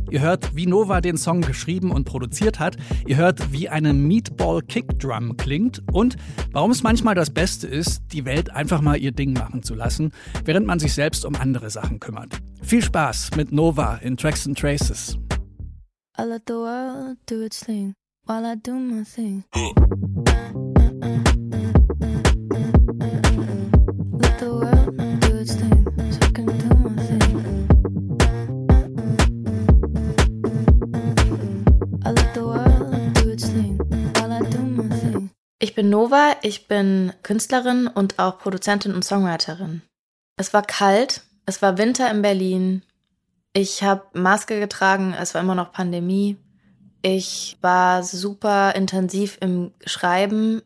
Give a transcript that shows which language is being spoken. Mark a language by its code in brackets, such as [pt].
[de] Ihr hört, wie Nova den Song geschrieben und produziert hat, ihr hört, wie eine Meatball-Kick-Drum klingt und warum es manchmal das Beste ist, die Welt einfach mal ihr Ding machen zu lassen, während man sich selbst um andere Sachen kümmert. Viel Spaß mit Nova in Tracks and Traces. [en] I let the world do its thing while I do my thing. Let the world do its thing so I can do my thing. I let the world do its thing while I do my thing. [de] Ich bin Nova, ich bin Künstlerin und auch Produzentin und Songwriterin. Es war kalt, es war Winter in Berlin. Ich habe Maske getragen, es war immer noch Pandemie. Ich war super intensiv im Schreiben.